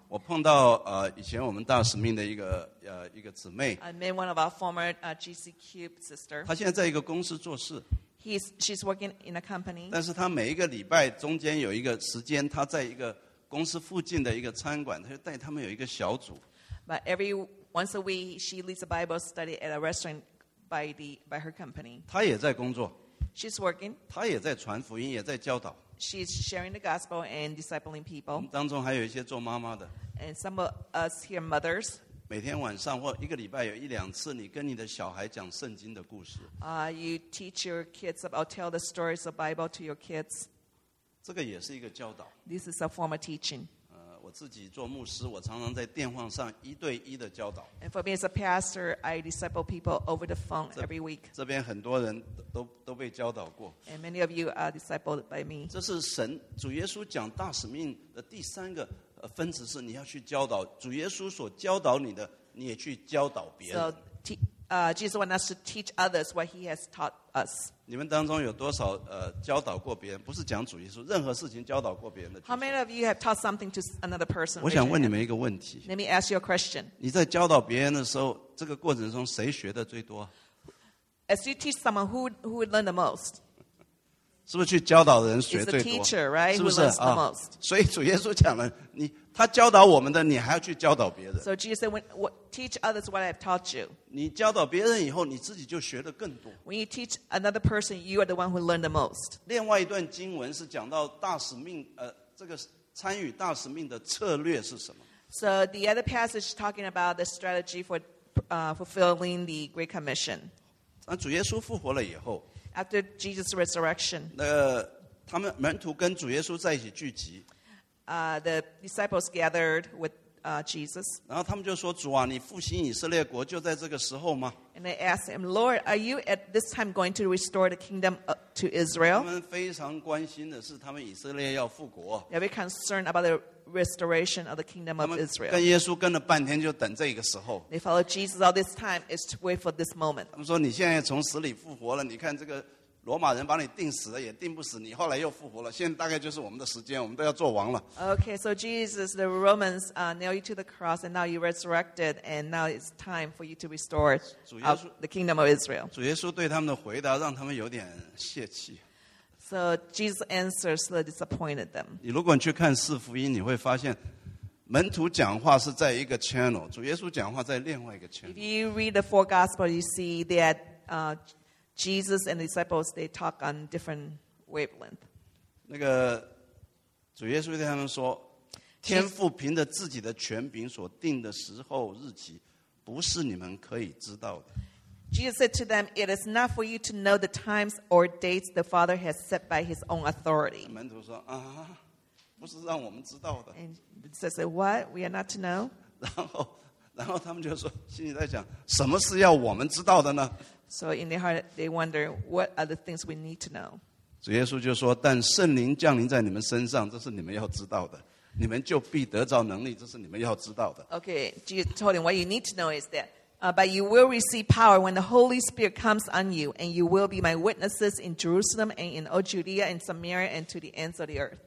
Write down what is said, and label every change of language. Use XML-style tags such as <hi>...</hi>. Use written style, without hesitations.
<zh>我碰到以前我们大使命的一个姊妹</zh> <en>，I met one of our former GC Cube sister.</en> <zh>她现在在一个公司做事。</zh> <en>She's working in a company.</en> <zh>但是她每一个礼拜中间有一个时间，她在一个公司附近的一个餐馆，他就带他们有一个小组。</zh> <en>But every once a week, she leads a Bible study at a restaurant by her company.</en> <zh>她也在工作。</zh> <en>She's working.</en> <zh>她也在传福音，也在教导。</zh> <en>She's sharing the gospel and discipling people.</en> <zh>当中还有一些做妈妈的。</zh> <en>And some of us here mothers.</en> <zh>每天晚上或一个礼拜有一两次，你跟你的小孩讲圣经的故事。</zh> <en>You teach your kids about tell the stories of Bible to your kids.</en> <zh>这个也是一个教导。</zh> <en>This is a form of teaching.</en> <zh>我自己做牧师，我常常在电话上一对一的教导。</zh> <en>And for me as a pastor, I disciple people over the phone every week.</en> <zh>这边很多人都被教导过。</zh> <en>And many of you are discipled by me.</en> <zh>这是神主耶稣讲大使命的第三个分词，是你要去教导主耶稣所教导你的，你也去教导别人。</zh> <en>Jesus wants us to teach others what he has taught us.</en> <zh>你们当中有多少教导过别人？不是讲主耶稣，任何事情教导过别人的。</zh> <en>How many of you have taught something to another person?</en> <zh>我想问你们一个问题。</zh> <en>Let me ask you a question.</en> <zh>你在教导别人的时候，这个过程中谁学的最多？</zh> <en>As you teach someone, who would learn the most?</en> <zh>是不是去教导的人学最多？</zh> <en>It's the teacher, right?</en> <zh>是不是</zh> <en>who learns the most?</en> <zh>所以主耶稣讲了，你他教导我们的，你还要去教导别人。</zh> <en>So Jesus said, teach others what I've taught you.</en> <zh>你教导别人以后，你自己就学得更多。</zh> <en>When you teach another person, you are the one who learn the most.</en> <zh>另外一段经文是讲到大使命，这个参与大使命的策略是什么？</zh> <en>So the other passage talking about the strategy for fulfilling the Great Commission.</en> <zh>那主耶稣复活了以后</zh> <en>，After Jesus' resurrection,</en> <zh>他们门徒跟主耶稣在一起聚集。</zh> <en>The disciples gathered with Jesus.</en> <zh>然后他们就说：“主啊，你复兴以色列国就在这个时候吗？”</zh> <en>And they asked him, "Lord, are you at this time going to restore the kingdom to Israel?"</en> <zh>他们非常关心的是，他们以色列要复国。</zh> <en>They were concerned about the restoration of the kingdom of Israel.</en> <zh>跟耶稣跟了半天，就等这个时候。</zh> <en>They followed Jesus all this time is to wait for this moment.</en> <zh>他们说：“你现在从死里复活了，你看这个。” 罗马人把你钉死了也钉不死你，后来又复活了，现在大概就是我们的时间，我们都要做王了。</zh> <en>Okay, so Jesus, the Romans nailed you to the cross, and now you resurrected, and now it's time for you to restore the kingdom of Israel.</en> <zh>主耶稣对他们的回答让他们有点泄气。</zh> <en>So Jesus' answers disappointed them.</en> <zh>你如果你去看四福音，你会发现门徒讲话是在一个 channel， 主耶稣讲话在另外一个 channel。</zh> <en>If you read the four gospels, you see that Jesus and the disciples, they talk on different wavelength.</en> <zh>那个主耶稣对他们说，天父凭着自己的权柄所定的时候日期，不是你们可以知道的。</zh> <en>Jesus said to them, it is not for you to know the times or dates the Father has set by his own authority.</en> <zh>门徒说，啊，不是让我们知道的。</zh> <en>And Jesus said, what? We are not to know?</en> <zh>然后他们就说，心里在想，什么是要我们知道的呢？</zh> <en>So in their heart, they wonder what are the things we need to know.</en> <zh>主耶稣就说：“但圣灵降临在你们身上，这是你们要知道的。” 你们就必得着能力，这是你们要知道的。</zh> <en>Okay, Jesus told him, what you need to know is that, but you will receive power when the Holy Spirit comes on you, and you will be my witnesses in Jerusalem and in all Judea and Samaria and to the ends of the earth.</en>